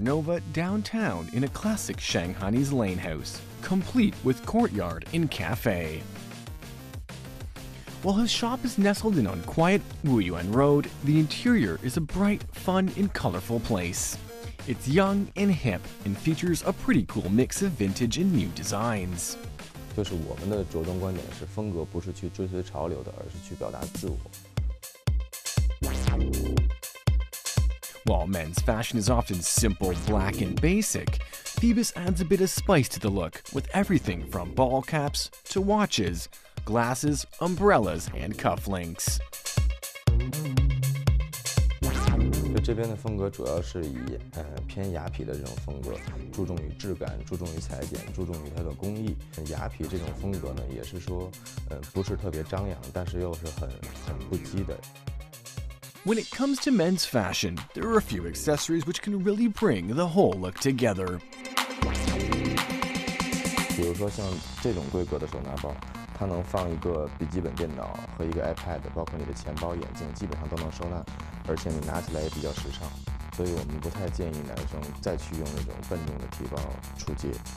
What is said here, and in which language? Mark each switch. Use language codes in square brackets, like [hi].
[en] Nova downtown in a classic Shanghainese lane house, complete with courtyard and cafe. While his shop is nestled in on quiet Wuyuan Road, the interior is a bright, fun, and colorful place. It's young and hip, and features a pretty cool mix of vintage and new designs. [zh] 就是我们的着装观点是风格不是去追随潮流的，而是去表达自我。 [en] While men's fashion is often simple, black, and basic, Phoebus adds a bit of spice to the look with everything from ball caps to watches,glasses, umbrellas, and cufflinks. [zh] 就这边的风格主要是以偏雅痞的这种风格，注重于质感，注重于裁剪，注重于它的工艺。雅痞这种风格呢，也是说不是特别张扬，但是又是很不羁的。 [en] When it comes to men's fashion, there are a few accessories which can really bring the whole look together. [zh] 比如说像这种规格的手拿包。它能放一个笔记本电脑和一个 iPad， 包括你的钱包、眼镜，基本上都能收纳，而且你拿起来也比较时尚。所以我们不太建议男生再去用那种笨重的提包出街。